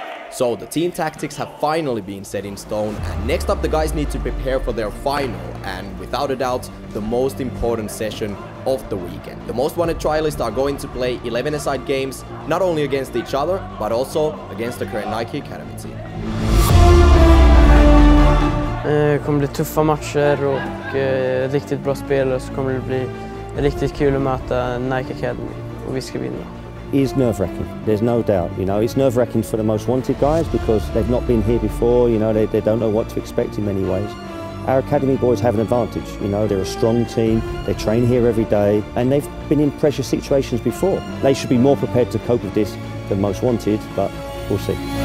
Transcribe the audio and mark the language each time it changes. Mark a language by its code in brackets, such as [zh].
[en] So the team tactics have finally been set in stone, and next up the guys need to prepare for their final and without a doubt the most important session of the weekend. The most wanted trialists are going to play 11-a-side games, not only against each other but also against the current Nike Academy team. [sv] Kommer bli tuffa matcher och riktigt bra spel, och så kommer det bli riktigt kul att möta Nike Academy och vi ska vinna. [en] Is nerve-wracking, there's no doubt, you know, it's nerve-wracking for the most wanted guys because they've not been here before, you know, they don't know what to expect in many ways. Our academy boys have an advantage, you know, they're a strong team, they train here every day, and they've been in pressure situations before. They should be more prepared to cope with this than most wanted, but we'll see.